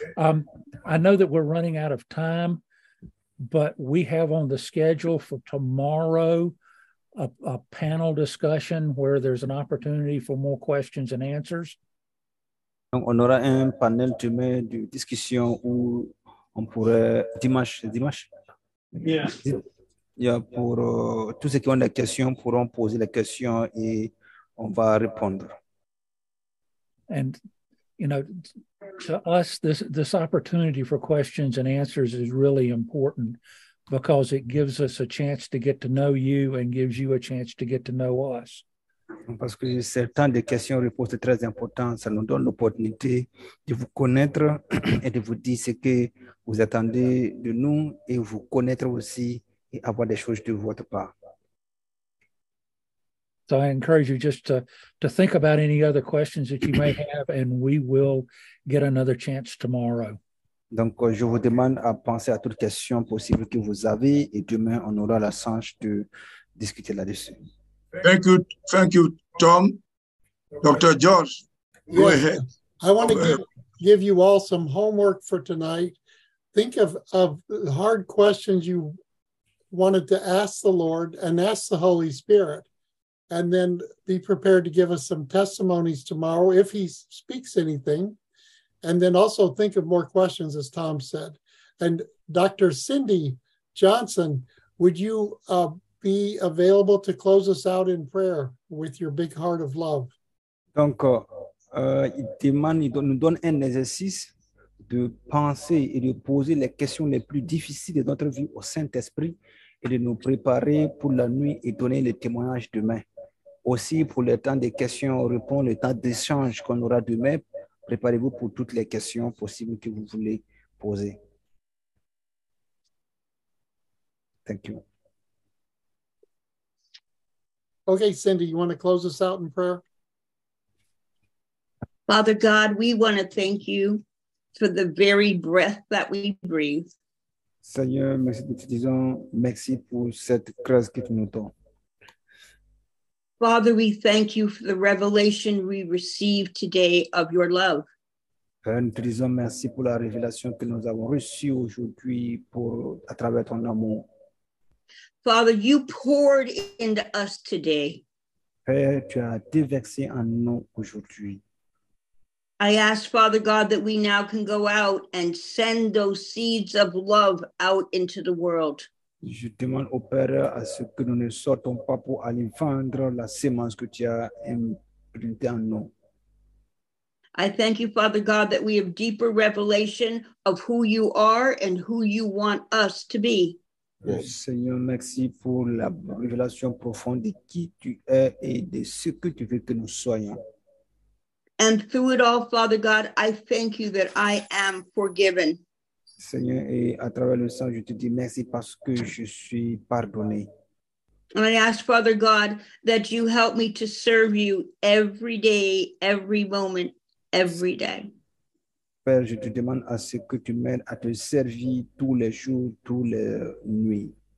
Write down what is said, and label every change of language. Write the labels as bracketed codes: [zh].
[en] I know that we're running out of time, but we have on the schedule for tomorrow a panel discussion where there's an opportunity for more questions and answers. [fr] Donc, on aura un panel demain de discussion où on pourrait dimanche. [en] Yeah. [fr] Yeah, pour tous ceux qui ont des questions pourront poser les questions et on va répondre. [en] And you know, to us, this opportunity for questions and answers is really important because it gives us a chance to get to know you and gives you a chance to get to know us. [fr] Parce que certaines des questions réponses très importantes, ça nous donne l'opportunité de vous connaître et de vous dire ce que vous attendez de nous et vous connaître aussi et avoir des choses de votre part. [en] So I encourage you just to think about any other questions that you may have, and we will get another chance tomorrow. [fr] Donc, je vous demande à penser à toutes questions possibles que vous avez, et demain on aura la chance de discuter là-dessus. [en] Thank you, Tom, Dr. George. Go ahead. I want to give you all some homework for tonight. Think of hard questions you wanted to ask the Lord and ask the Holy Spirit. And then be prepared to give us some testimonies tomorrow if he speaks anything. And then also think of more questions, as Tom said. And Dr. Cindy Johnson would you be available to close us out in prayer with your big heart of love? [fr] Donc, il demande, il nous donne un exercice de penser et de poser les questions les plus difficiles de notre vie au Saint-Esprit et de nous préparer pour la nuit et donner le témoignage demain. Aussi, pour le temps des questions-réponses, le temps d'échange qu'on aura demain, préparez-vous pour toutes les questions possibles que vous voulez poser. [en] Thank you. Okay, Cindy, you want to close us out in prayer? Father God, we want to thank you for the very breath that we breathe. [fr] Seigneur, merci de te dire merci pour cette grâce que tu nous donnes. [en] Father, we thank you for the revelation we received today of your love. [fr] Père, nous te disons merci pour la révélation que nous avons reçue aujourd'hui pour à travers ton amour. [en] Father, you poured into us today. [fr] Père, tu as déversé en nous aujourd'hui. [en] I ask, Father God, that we now can go out and send those seeds of love out into the world. [fr] Je demande au Père à ce que nous ne sortons pas pour aller vendre la semence que tu as imprimée en nous. [en] I thank you, Father God, that we have deeper revelation of who you are and who you want us to be. [fr] Oh, Seigneur, merci pour la révélation profonde de qui tu es et de ce que tu veux que nous soyons. [en] And through it all, Father God, I thank you that I am forgiven. [fr] Seigneur, et à travers le sang, je te dis merci parce que je suis pardonné. [en] And I ask, Father God, that you help me to serve you every day, every moment, every day. [fr] Père, je te demande à ce que tu m'aides à te servir tous les jours, toutes les nuits.